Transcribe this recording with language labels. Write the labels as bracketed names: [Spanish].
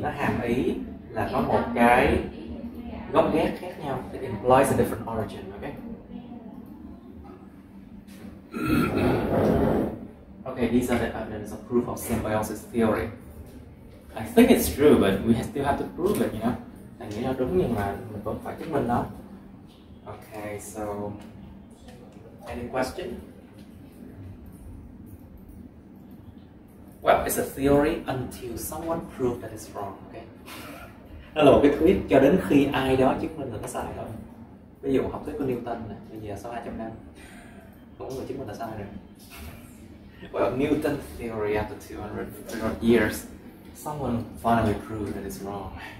[Vietnamese] Nó hàm ý là có một cái gốc gác khác nhau. [English] It implies a different origin, okay? Okay, these are the evidence of proof of symbiosis theory. I think it's true, but we still have to prove it, you know? [Vietnamese] Anh nghĩ nó đúng nhưng mà mình vẫn phải chứng minh nó. [English] Okay, so any question? Well, it's a theory until someone proves that it's wrong, okay? [Vietnamese] nó là một cái thuyết cho đến khi ai đó chứng minh là nó sai rồi. Ví dụ học thuyết của Newton này, bây giờ sau 200 năm cũng người chứng minh là sai rồi. [English] Well, Newton's theory after 200 years, someone finally proved that it's wrong.